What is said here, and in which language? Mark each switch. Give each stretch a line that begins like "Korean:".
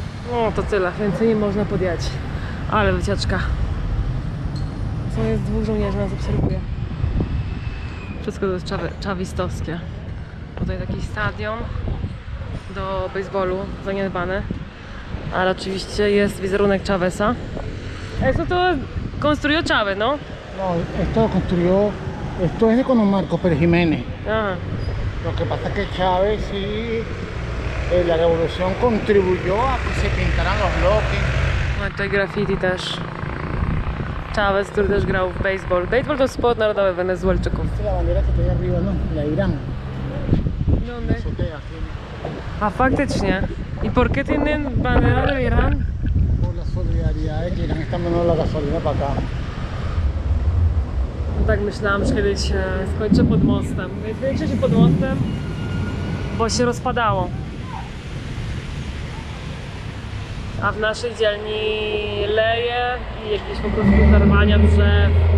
Polish: No, to tyle, więc nie można podjechać. Ale wycieczka. Są jest dwóch żołnierzy, nas obserwuje. Wszystko to jest chavistowskie. Tutaj taki stadion do baseballu, zaniedbane. Ale oczywiście jest wizerunek Chavesa.
Spanish: Eso to construyó Chávez, no? No, esto lo construyó. Esto es con un Marcos Pérez Jiménez. Ajá. Lo que pasa es que Chávez sí, la revolución contribuyó a que se pintaran los bloques. Bueno, hay graffiti też.
Polish: Chávez, który też grał w baseball. Baseball to sport narodowy Wenezuelczyków.
Spanish: ¿Viste la bandera que está ahí arriba, no? La Irán. ¿Dónde? Ah, faktycznie. ¿Y por qué tienen bandera de Irán? Por la solidaridad de que Irán está mandando la gasolina para acá.
Polish: No tak myślałam, że kiedyś skończę pod mostem. Skończę się pod mostem, bo się rozpadało. A w naszej dzielni leje i jakieś po prostu zarwania drzew.